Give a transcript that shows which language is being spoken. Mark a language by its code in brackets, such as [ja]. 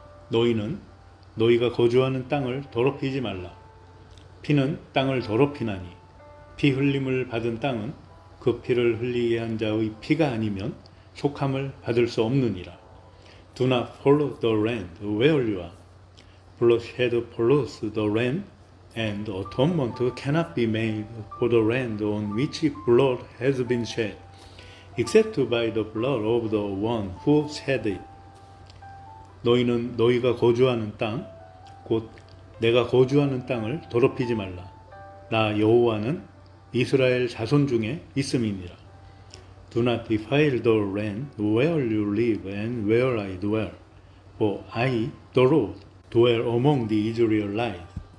[ko] 너희는 너희가 거주하는 땅을 더럽히지 말라. 피는 땅을 더럽히나니 피 흘림을 받은 땅은 그 피를 흘리게 한 자의 피가 아니면 속함을 받을 수 없느니라. [en] Do not pollute the land where you are. Bloodshed pollutes the land, and atonement cannot be made for the land on which blood has been shed, except by the blood of the one who shed it. [ko] 너희는 너희가 거주하는 땅, 곧 내가 거주하는 땅을 더럽히지 말라. 나 여호와는 이스라엘 자손 중에 있음이니라. [en] Do not defile the land where you live and where I dwell, for I, the Lord, dwell among the Israelites.